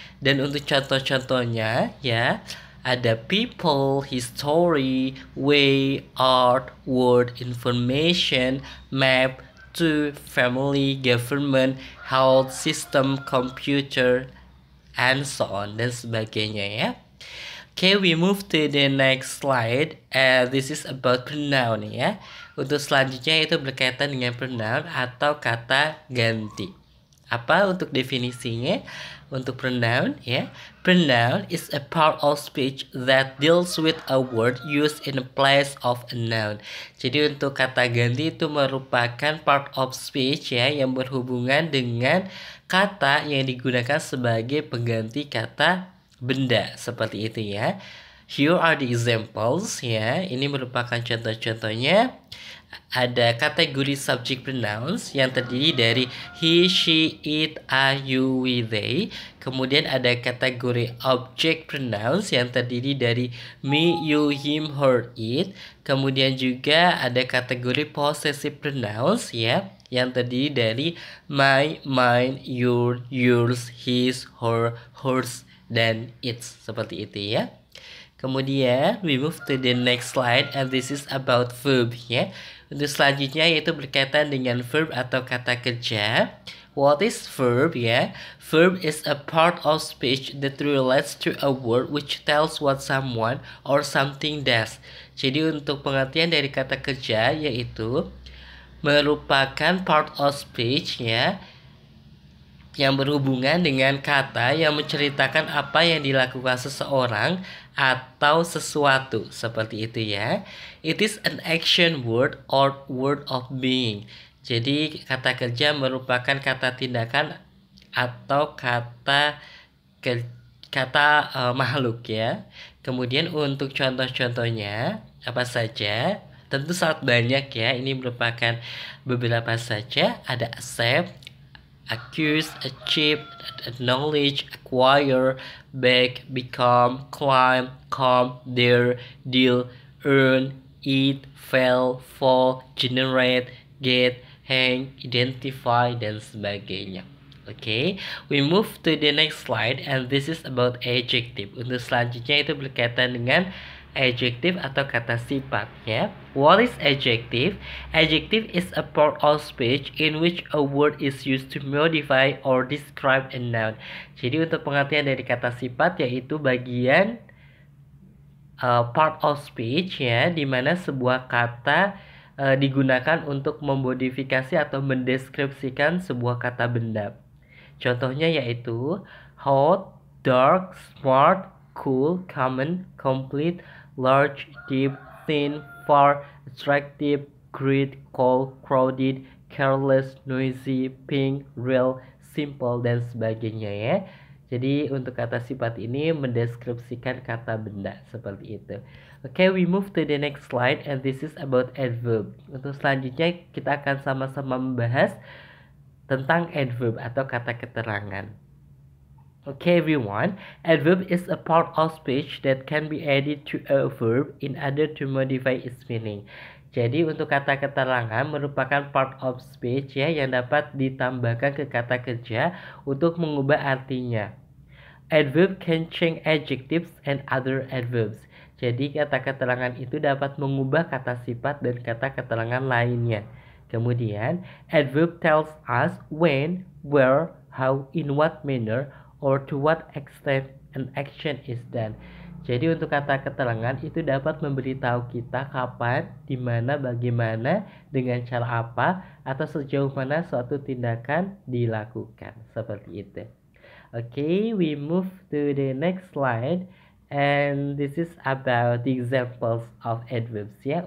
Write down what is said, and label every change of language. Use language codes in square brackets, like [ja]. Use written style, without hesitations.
[id] Dan untuk contoh-contohnya ya, ada people, history, way, art, word, information, map, to, family, government, health, system, computer, [en] and so on [id] dan sebagainya ya. [en] Okay, we move to the next slide. This is about pronoun ya. [id] Untuk selanjutnya itu berkaitan dengan pronoun atau kata ganti. Apa untuk definisinya untuk pronoun ya? [en] Pronoun is a part of speech that deals with a word used in place of a noun. [id] Jadi untuk kata ganti itu merupakan part of speech ya, yang berhubungan dengan kata yang digunakan sebagai pengganti kata benda seperti itu ya. [en] Here are the examples ya. [id] Ini merupakan contoh-contohnya. Ada kategori subject pronouns yang terdiri dari he, she, it, I, you, we, they. Kemudian ada kategori object pronouns yang terdiri dari me, you, him, her, it. Kemudian juga ada kategori possessive pronouns ya, yang terdiri dari my, mine, your, yours, his, her, hers, dan it's seperti itu ya. [en] Kemudian we move to the next slide, and this is about verb ya. [id] Untuk selanjutnya yaitu berkaitan dengan verb atau kata kerja. [en] What is verb ya? Verb is a part of speech that relates to a word which tells what someone or something does. [id] Jadi untuk pengertian dari kata kerja yaitu merupakan part of speech ya yang berhubungan dengan kata yang menceritakan apa yang dilakukan seseorang atau sesuatu seperti itu ya. [en] It is an action word or word of being. [id] Jadi kata kerja merupakan kata tindakan atau kata makhluk ya. Kemudian untuk contoh-contohnya apa saja? Tentu sangat banyak ya. Ini merupakan beberapa saja. Ada accept, accuse, achieve, acknowledge, acquire, beg, become, climb, come, dare, deal, earn, eat, fail, fall, generate, get, hang, identify, dan sebagainya. [en] Okay, we move to the next slide and this is about adjective. [id] Untuk selanjutnya itu berkaitan dengan adjective atau kata sifat ya. [en] What is adjective? Adjective is a part of speech in which a word is used to modify or describe a noun. [id] Jadi untuk pengertian dari kata sifat yaitu bagian part of speech ya, di mana sebuah kata digunakan untuk memodifikasi atau mendeskripsikan sebuah kata benda. Contohnya yaitu hot, dark, smart, cool, common, complete, large, deep, thin, far, attractive, great, cold, crowded, careless, noisy, pink, real, simple, dan sebagainya ya. Jadi untuk kata sifat ini mendeskripsikan kata benda seperti itu. [en] Okay, we move to the next slide and this is about adverb. [id] Untuk selanjutnya kita akan sama-sama membahas tentang adverb atau kata keterangan. [en] Okay everyone, adverb is a part of speech that can be added to a verb in order to modify its meaning. [id] Jadi untuk kata keterangan merupakan part of speech ya yang dapat ditambahkan ke kata kerja untuk mengubah artinya. [en] Adverb can change adjectives and other adverbs. [id] Jadi kata keterangan itu dapat mengubah kata sifat dan kata keterangan lainnya. [en] Kemudian, adverb tells us when, where, how, in what manner, or to what extent an action is done. [id] Jadi untuk kata keterangan itu dapat memberitahu kita kapan, di mana, bagaimana, dengan cara apa, atau sejauh mana suatu tindakan dilakukan. Seperti itu. [en] Okay, we move to the next slide. And this is about examples of adverbs. Ya.